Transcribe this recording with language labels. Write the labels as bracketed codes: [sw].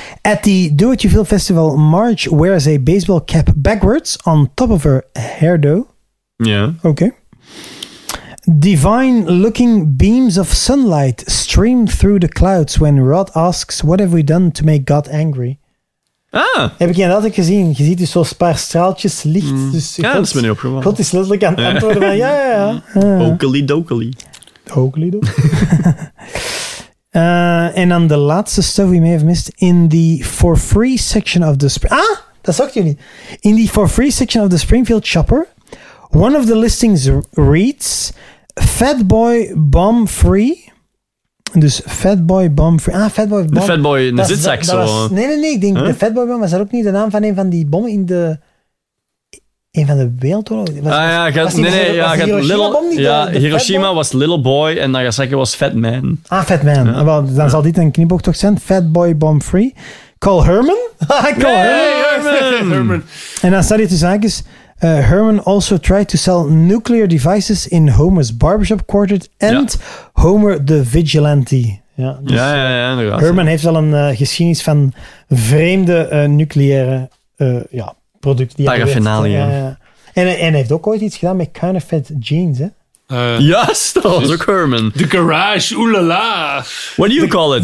[en] At the Do What You Feel Festival, Marge wears a baseball cap backwards on top of her hairdo. [nl] Ja. Oké. [en] Divine looking beams of sunlight stream through the clouds when Rod asks, what have we done to make God angry? Ah. [nl] Heb ik je dat ook gezien? Je ziet dus zo'n paar straaltjes licht. Dus ja, dat is me niet opgevallen. God is letterlijk aan het antwoorden van ja. Hokely-dokely. En dan de laatste [en] stuff we may have missed. In the for free section of the... [nl] Dat zag je niet. [en] In the for free section of the Springfield Shopper, one of the listings reads, [nl] Fatboy Bum Free. Dus Fatboy Bum Free. Ah, Fatboy Bum. De Fatboy in de zitzak zo. Nee. Ik denk, huh? De Fatboy Bum was dat ook niet de naam van een van die bommen in de... Een van de wereldoorlogen? Ah ja, gaat, was die, nee, was ja, de Hiroshima little, bom niet? Ja, de Hiroshima was Little Boy en Nagasaki was Fat Man. Ah, Fat Man. Ja. Well, dan zal dit een knipoog toch zijn. [en] Fatboy Bum Free. Call Herman. Call Herman. [nl] En dan staat hier tussen haakjes. [en] Herman also tried to sell nuclear devices in Homer's barbershop quartet and Homer the Vigilante. [nl] Ja, inderdaad. Herman heeft wel een geschiedenis van vreemde nucleaire producten. Paraffinalia. En heeft ook ooit iets gedaan met counterfeit jeans, hè? Yes, dat was ook Herman. [en] The garage, oelala. What do you call it?